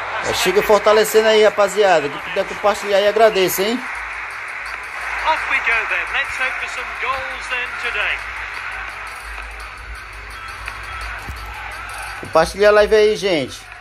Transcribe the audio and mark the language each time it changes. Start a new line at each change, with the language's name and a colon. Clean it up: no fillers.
Portuguese: É, chega fortalecendo aí, rapaziada. Quem puder compartilhar aí, agradeço, hein?
English: Off we go then. Let's hope for some goals then today.
Portuguese: Compartilha a live aí, gente.